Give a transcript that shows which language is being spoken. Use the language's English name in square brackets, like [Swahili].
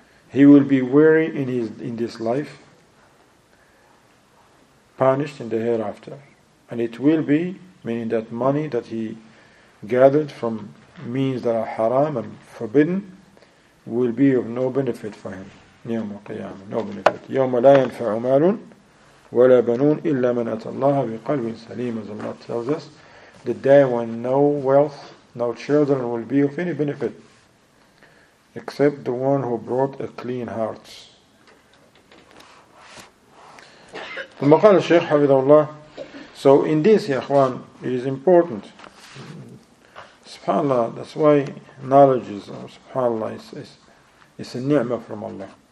[English] He will be weary in this life, punished in the hereafter. And it will be, meaning that money that he gathered from means that are haram and forbidden, will be of no benefit for him. [Arabic] يوم القيامة [English] no benefit. [Arabic] يوم لا ينفع مال ولا بنون إلا من أتى الله بقلب سليم. [English] As Allah tells us, the day when no wealth, no children will be of any benefit, except the one who brought a clean heart. [Arabic] ثم قال الشيخ حفظه الله. [English] So in this, [Arabic] يا أخوان, [English] it is important. SubhanAllah, that's why knowledge is, SubhanAllah, it's a ni'mah from Allah.